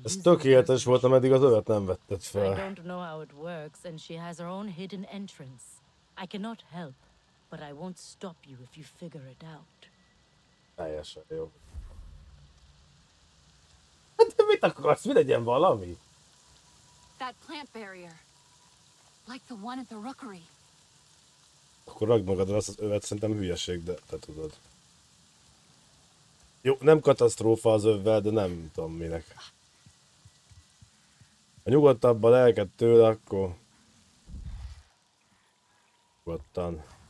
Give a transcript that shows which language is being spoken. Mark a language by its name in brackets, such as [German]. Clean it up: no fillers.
[Hungarian] Ez tökéletes volt, ameddig az övet nem vetted fel. [English] I don't know how it works and she has her own hidden entrance. I cannot help, but I won't stop you if you figure it out. [Hungarian] Teljesen jó. Hát te mit akarsz? Mi legyen valami? [English] That plant barrier. Like the one at the rookery. [Hungarian] Akkor rakd magadra azt az övet, szerintem hülyeség, de te tudod. Jó, nem katasztrófa az övvel, de nem tudom minek. Ha nyugodtabb a lelked tőle, akkor... Nyugodtan.